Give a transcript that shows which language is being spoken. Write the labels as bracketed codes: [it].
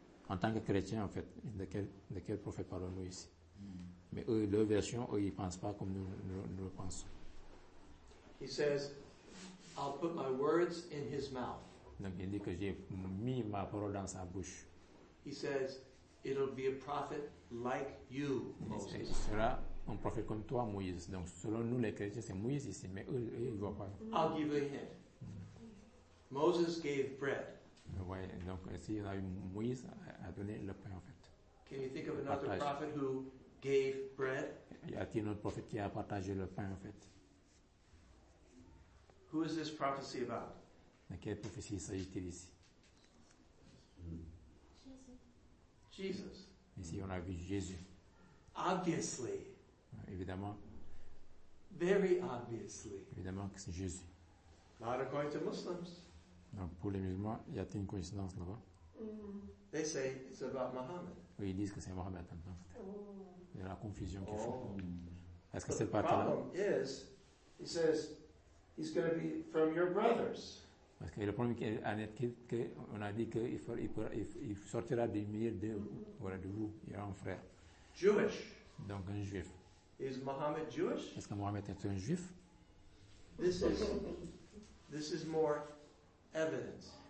[fr] En tant que chrétien en fait, de quel prophète parlons-nous ici? Mais eux, leur version, eux, ils ne pensent pas comme nous le pensons. [en] He says, I'll put my words in his mouth. [fr] Donc il dit que j'ai mis ma parole dans sa bouche. [en] He says, it'll be a prophet like you, Moses. [fr] Il sera un prophète comme toi, Moïse. Donc selon nous les chrétiens, c'est Moïse ici, mais eux ils ne voient pas. [en] I'll give you a hint. Moses gave bread. [fr] Oui, donc ici, Moïse a donné le pain, en fait. [en] Can you think of another prophet who gave bread? [fr] Y a-t-il un autre prophète qui a partagé le pain, en fait? [en] Who is this prophecy about? [fr] De quelle prophétie s'agit-il ici? [en] Jesus. [fr] Ici, on a vu Jésus. [en] Obviously. [fr] Évidemment. [en] Very obviously. [fr] Évidemment que c'est Jésus. [en] Not according to Muslims. [fr] Donc pour les musulmans, y a-t-il une coïncidence là-bas? They say it's about Muhammad. Oui, ils disent que c'est Muhammad en fait. Il y a la confusion qu'ils font. Est-ce que [en] But [fr] c'est pas problem là? [en] Is, he says, he's going to be from your brothers. [fr] Parce que le problème qui est que on a dit qu'il sortira du milieu de voilà de vous, il y a un frère. [en] Jewish. [fr] Donc un juif. [en] Is Muhammad Jewish? [fr] Est-ce que Muhammad est un juif? [en] This is more. Evidence.